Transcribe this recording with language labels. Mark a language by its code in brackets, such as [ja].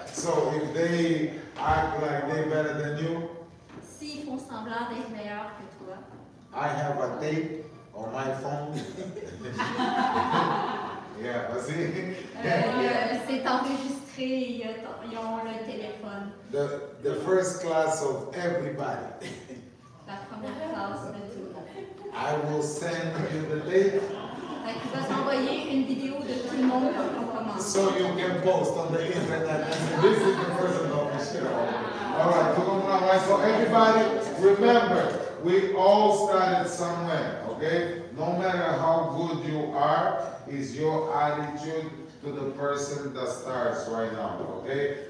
[en] So if they act like they're better than you, [fr] s'ils font semblant d'être meilleurs que toi. [en] I have a tape on my phone. [fr] Yeah, vas-y. C'est enregistré, ils ont le téléphone. [en] The first class of everybody. [fr] La première classe de tout le monde. [en] I will send you the tape. [fr] Tu vas envoyer une vidéo de tout le monde pour qu'on commence. [en] So you can post on the internet. This is the person of the show. All right, so everybody, remember, We all started somewhere, okay? No matter how good you are, is your attitude to the person that starts right now, okay?